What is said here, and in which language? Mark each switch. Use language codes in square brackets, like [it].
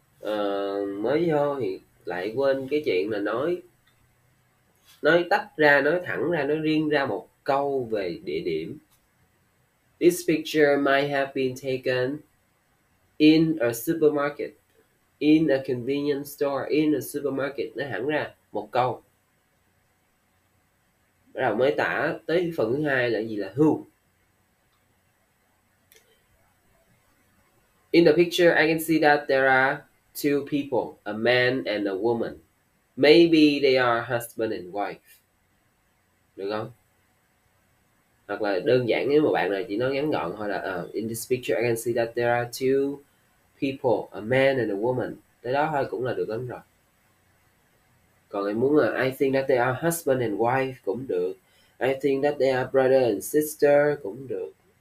[vi] mới vô thì lại quên cái chuyện là nói tách ra, nói thẳng ra, nói riêng ra một câu về địa điểm. [en] This picture might have been taken in a supermarket, in a convenience store, in a supermarket. [vi] Nói thẳng ra một câu. Bắt đầu mới tả tới phần thứ hai là gì, là who. [en] In the picture, I can see that there are two people, a man and a woman. Maybe they are husband and wife. [vi] Được không? Hoặc là đơn giản, nếu mà bạn này chỉ nói ngắn gọn thôi là [en] in this picture, I can see that there are two people, a man and a woman. [vi] Tới đó thôi cũng là được lắm rồi. Còn em muốn là [en] I think that they are husband and wife [vi] cũng được. [en] I think that they are brother and sister [vi] cũng được.